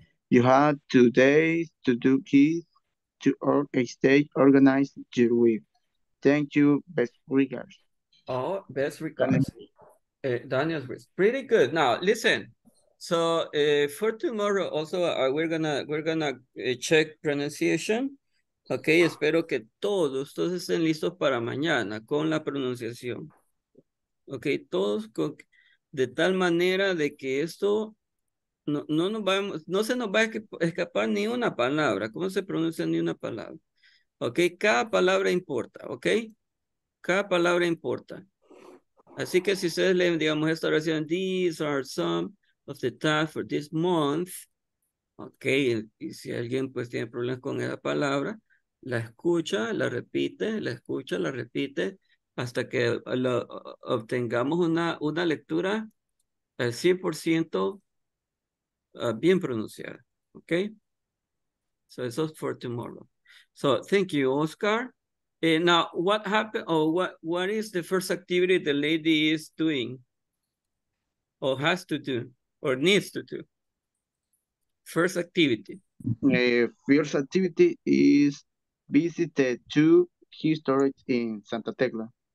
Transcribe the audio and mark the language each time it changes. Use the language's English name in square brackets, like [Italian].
[English] You have 2 days to do it to organize your week. Thank you. Best regards. Oh, best regards. Daniel's pretty good. Now listen. So for tomorrow also we're gonna check pronunciation. [Spanish] Okay, espero que todos estén listos para mañana con la pronunciación. Okay, todos con, de tal manera de que esto no se nos va a escapar ni una palabra. ¿Cómo se pronuncia ni una palabra? Okay, cada palabra importa, okay? Cada palabra importa. Así que si ustedes leen, digamos, esta oración, [English] these are some of the tasks for this month. [Spanish] Ok, y si alguien pues tiene problemas con esa palabra, la escucha, la repite, hasta que obtengamos una lectura al 100% bien pronunciada. [English] Ok, so [Spanish] eso es [English] for tomorrow. So thank you, Oscar. And now, what happened, or what is the first activity the lady is doing, or has to do, or needs to do? First activity. First activity is visit the two historic in Santa Tecla.